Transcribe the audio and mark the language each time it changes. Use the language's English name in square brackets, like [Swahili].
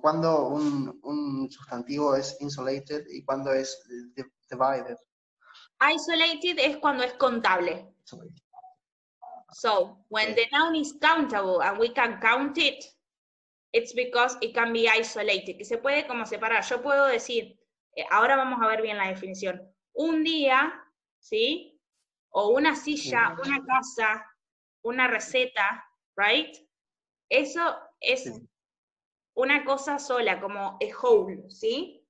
[Spanish] ¿Cuándo un sustantivo es isolated y cuándo es divided? Isolated es cuando es contable. [English] So, when the noun is countable and we can count it, it's because it can be isolated. [Spanish] Que se puede como separar. Yo puedo decir, ahora vamos a ver bien la definición. Un día, ¿sí? O una silla, una casa, una receta, right? Eso es una cosa sola, como [English] a whole, [Spanish] ¿sí?